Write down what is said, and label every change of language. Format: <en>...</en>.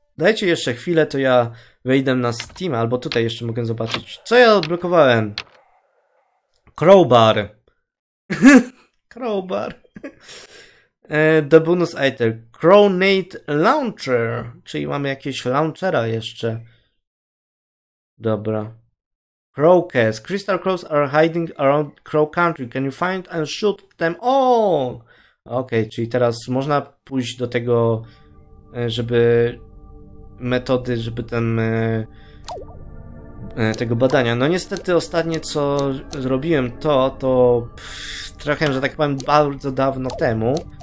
<pl>Dajcie jeszcze chwilę, to ja wejdę na Steam, albo tutaj jeszcze mogę zobaczyć. Co ja odblokowałem? Crowbar. Crowbar.</pl> <en>The bonus item. Crownate Launcher.</en> <pl>Czyli mamy jakieś launchera jeszcze. Dobra. Crowcast.</pl> <en>Crystal Crows are hiding around Crow Country. Can you find and shoot them all?</en> <pl>Okej, okay, czyli teraz można pójść do tego, żeby metody, żeby ten... tego badania. No niestety ostatnie, co zrobiłem to trochę, że tak powiem, bardzo dawno temu.</pl>